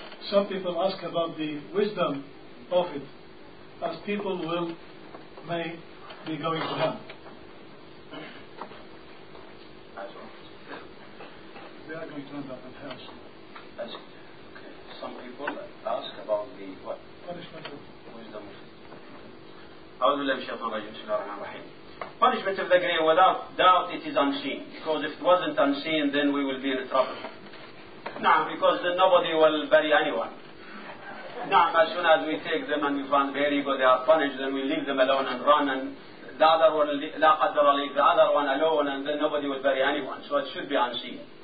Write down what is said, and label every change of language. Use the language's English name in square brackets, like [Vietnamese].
[English] Some people ask about the wisdom of it, as people will may be going to hell. They are going to end up in hell. Okay. Some people ask about the what? Punishment of wisdom. [Arabic] أعوذ بالله من الشيطان الرجيم بسم الله الرحمن الرحيم. [English] Punishment of the grave, without doubt it is unseen, because if it wasn't unseen then we will be in trouble. Nah, because then nobody will bury anyone. Nah, as soon as we take them and we find bury, but they are punished, then we leave them alone and run, and the other one [Arabic] لا قدر الله [English] leave the other one alone, and then nobody will bury anyone. So it should be unseen.